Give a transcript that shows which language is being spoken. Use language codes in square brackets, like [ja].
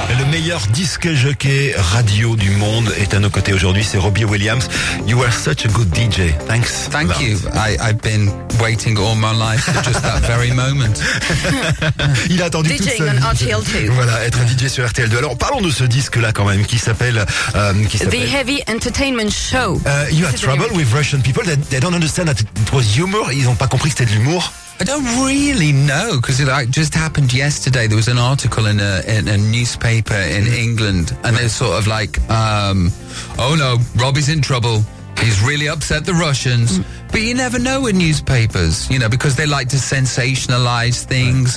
[fr] meilleur disque jockey radio du monde est à nos côtés aujourd'hui, c'est Robbie Williams. [en] You are such a good DJ. Thanks. Thank you. I've been waiting all my life for just that very moment. [fr] Il a attendu [en] DJing [fr] tout seul. [en] DJing on RTL2. [fr] Voilà, être un DJ sur RTL2. Alors parlons de ce disque-là quand même, qui s'appelle [en] The Heavy Entertainment Show. You had trouble with Russian people. They don't understand that it was humor. [fr] Ils n'ont pas compris que c'était de l'humour. [en] I don't really know, because it like, just happened yesterday. There was an article in a newspaper in England, and they're sort of like, oh no, Robbie's in trouble. He's really upset the Russians. But you never know with newspapers, you know, because they like to sensationalize things.